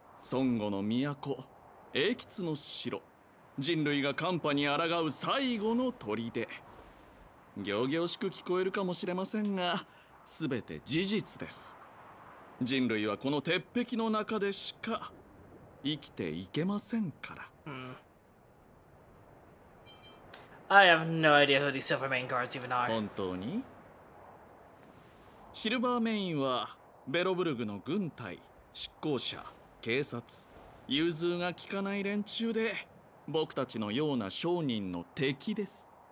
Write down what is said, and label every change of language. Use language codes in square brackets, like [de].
[ja] 孫悟の都、永吉の城、人類が寒波に抗う最後の砦。仰々しく聞こえるかもしれませんが、全て事実です。人類はこの鉄壁の中でしか生きていけませんから。 [en] I have no idea who these silver main guards even are. [ja] 本当に？シルバーメインはベロブルグの軍隊、執行者、警察、融通が効かない連中で、僕たちのような商人の敵です。